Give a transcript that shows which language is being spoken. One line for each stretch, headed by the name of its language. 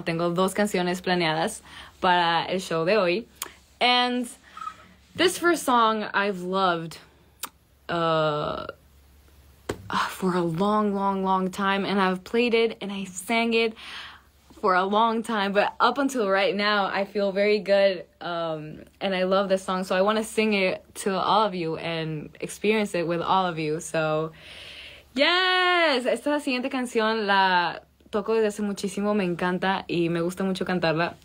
Spanish: Tengo dos canciones planeadas para el show de hoy.
English: And this first song I've loved for a long time, and I've played it and I sang it for a long time, but up until right now I feel very good and I love this song, so I want to sing it to all of you and experience it with all of you. So yes,
Spanish: esta siguiente canción la toco desde hace muchísimo, me encanta y me gusta mucho cantarla.